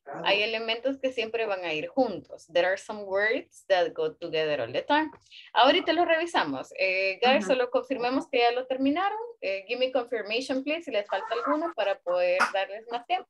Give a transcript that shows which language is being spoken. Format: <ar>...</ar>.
<es>Hay elementos que siempre van a ir juntos.</es> <en>There are some words that go together all the time.</en> <es>Ahorita lo revisamos. Guys, uh-huh. solo confirmemos que ya lo terminaron.</es> <en>Give me confirmation, please,</en> <es>si les falta alguno para poder darles más tiempo.</es>